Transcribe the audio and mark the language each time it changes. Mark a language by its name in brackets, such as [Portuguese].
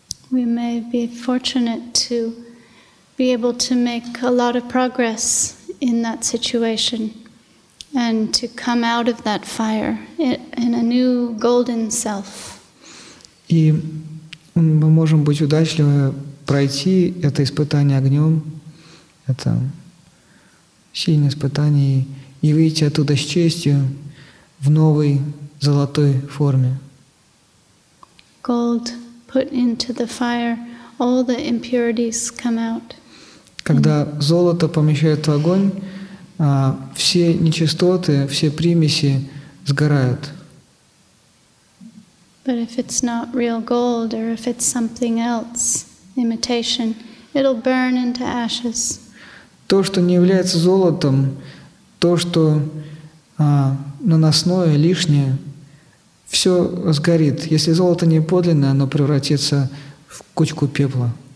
[English] We may be fortunate to be able to make a lot of progress in that situation and to come out of that fire in a new golden self. [Russian] И мы можем быть удачливы пройти это испытание огнем, это сильное испытание, и выйти оттуда с честью в новой золотой форме. [English] Gold put into the fire, all the impurities come out. [Russian] Когда золото помещают в огонь, все нечистоты, все примеси сгорают. [English] But if it's not real gold, or if it's something else, imitation, it'll burn into ashes. [Russian] То, что не является золотом, то, что наносное, лишнее, все сгорит. Если золото не подлинное, оно превратится в кучку пепла.